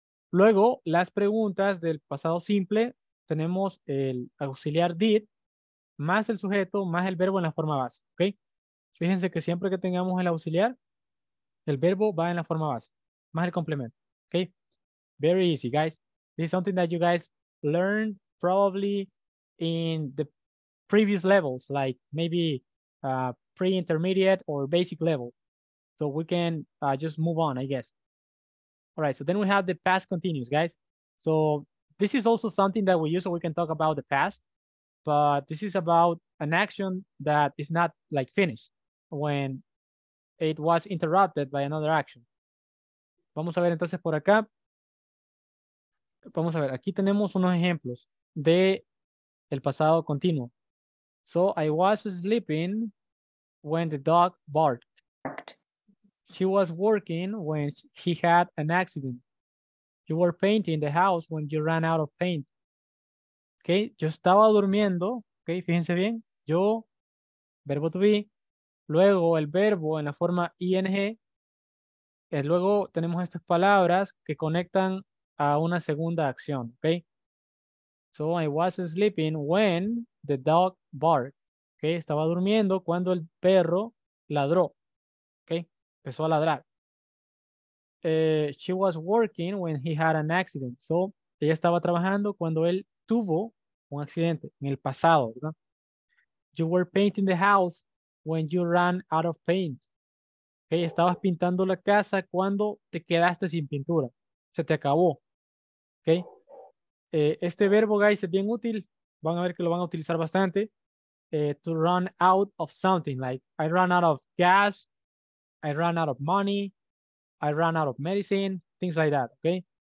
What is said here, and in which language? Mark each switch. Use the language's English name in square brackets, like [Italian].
[Spanish] Luego, las preguntas del pasado simple, tenemos el auxiliar did, más el sujeto, más el verbo en la forma base, ¿ok? Fíjense que siempre que tengamos el auxiliar, el verbo va en la forma base, más el complemento, ¿ok? [English] Very easy, guys. This is something that you guys learned probably in the previous levels, like maybe pre-intermediate or basic level. So we can just move on, I guess. All right, so then we have the past continuous, guys. So this is also something that we use, so we can talk about the past, but this is about an action that is not like finished when it was interrupted by another action. [Spanish] Vamos a ver entonces por acá. Vamos a ver, aquí tenemos unos ejemplos de el pasado continuo. [English] So I was sleeping when the dog barked. She was working when he had an accident. You were painting the house when you ran out of paint. [Spanish] Okay, yo estaba durmiendo. Okay, fíjense bien. Yo, verbo to be. Luego el verbo en la forma ing. Y luego tenemos estas palabras que conectan a una segunda acción. Okay. [English] So I was sleeping when the dog barked. [Spanish] Okay, estaba durmiendo cuando el perro ladró. Okay, empezó a ladrar. [English] She was working when he had an accident. [Spanish] So ella estaba trabajando cuando él tuvo un accidente en el pasado, ¿verdad? [English] You were painting the house when you ran out of paint. [Spanish] Okay, estabas pintando la casa cuando te quedaste sin pintura. Se te acabó. Okay. Este verbo, guys, es bien útil. Van a ver que lo van a utilizar bastante. [English] To run out of something, like I run out of gas, I run out of money, I run out of medicine, things like that. Okay.